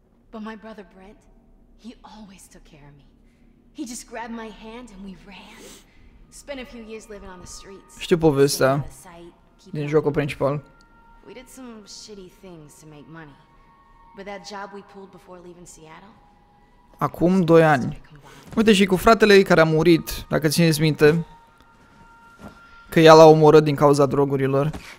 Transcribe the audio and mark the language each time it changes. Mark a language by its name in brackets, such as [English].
[English] But my brother Brent, he always took care of me. He just grabbed my hand and we ran. Spent a few years living on the streets. [Romanian] Știu povestea din jocul principal. [English] We did some shitty things to make money. But that job we pulled before leaving Seattle? [Romanian] Acum 2 ani. Uite și cu fratele care a murit, dacă țineți minte, că ea l-a omorât din cauza drogurilor.